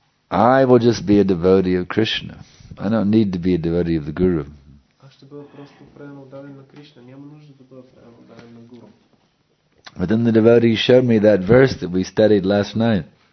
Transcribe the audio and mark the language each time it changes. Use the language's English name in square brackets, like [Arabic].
[English] I will just be a devotee of Krishna. I don't need to be a devotee of the Guru. [Bulgarian] Аз ще бъда просто предан отдаден на Кришна. Няма нужда да бъда предан отдаден на Гуру. [English] But then the devotee showed me that verse that we studied last night.